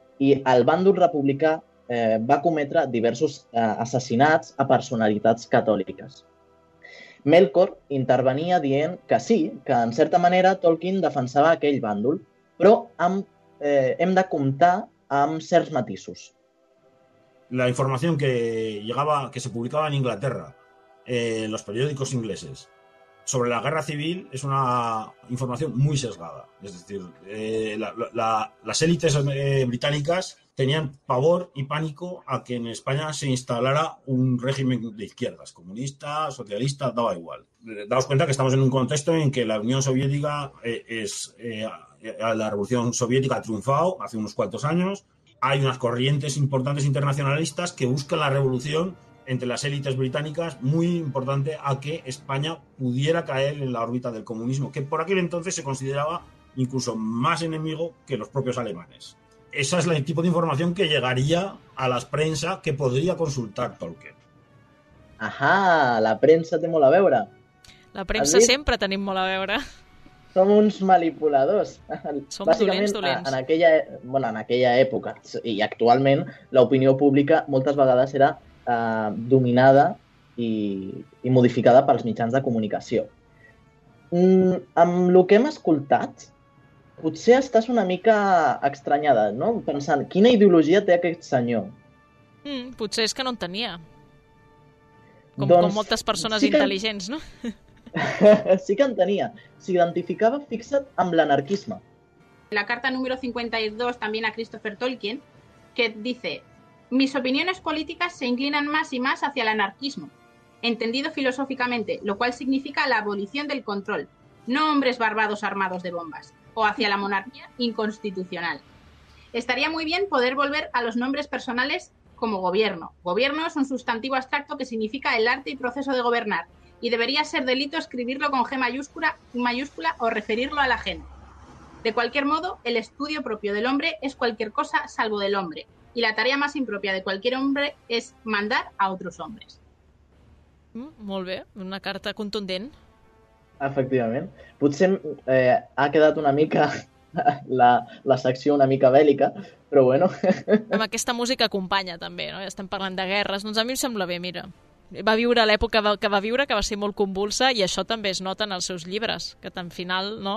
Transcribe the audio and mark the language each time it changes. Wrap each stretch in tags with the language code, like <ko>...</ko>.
<ca>I el bàndol republicà va cometre diversos assassinats a personalitats catòliques. Melkor intervenia dient que sí, que en certa manera Tolkien defensava aquell bàndol, però hem de comptar amb certs matisos.</ca> <es>La informació que llegava, que se publicava en Inglaterra, en los periódicos ingleses, sobre la guerra civil es una información muy sesgada. Es decir, las élites británicas tenían pavor y pánico a que en España se instalara un régimen de izquierdas, comunista, socialista, daba igual. Daos cuenta que estamos en un contexto en que la Unión Soviética la Revolución Soviética ha triunfado hace unos cuantos años. Hay unas corrientes importantes internacionalistas que buscan la revolución entre las élites británicas, muy importante a que España pudiera caer en la órbita del comunismo, que por aquel entonces se consideraba incluso más enemigo que los propios alemanes. Esa es el tipo de información que llegaría a las prensa que podría consultar Tolkien.</es> <ca>Ajá, la prensa té molt a veure. La premsa sempre tenim molt a veure. Som uns manipuladors. Som dolents. En aquella època i actualment, l'opinió pública moltes vegades era dominada i modificada pels mitjans de comunicació. Amb el que hem escoltat, potser estàs una mica estranyada, no? Pensant, quina ideologia té aquest senyor? Potser és que no en tenia. Com moltes persones sí que... intel·ligents, no? Sí que en tenia. S'identificava, fixa't, amb l'anarquisme. La carta número 52, també a Christopher Tolkien,</ca> <es>que dice... Mis opiniones políticas se inclinan más y más hacia el anarquismo, entendido filosóficamente, lo cual significa la abolición del control, no hombres barbados armados de bombas, o hacia la monarquía inconstitucional. Estaría muy bien poder volver a los nombres personales como gobierno. Gobierno es un sustantivo abstracto que significa el arte y proceso de gobernar, y debería ser delito escribirlo con G mayúscula o referirlo a la gente. De cualquier modo, el estudio propio del hombre es cualquier cosa salvo del hombre. Y la tarea más impropia de cualquier hombre es mandar a otros hombres.</es> <ca>Molt bé, una carta contundent. Efectivament. Potser ha quedat una mica la secció una mica bèl·lica, però bueno. Amb aquesta música acompanya també, no? Ja estem parlant de guerres. Doncs a mi em sembla bé, mira. Va viure l'època que va viure, que va ser molt convulsa, i això també es nota en els seus llibres, que al final, no?</ca>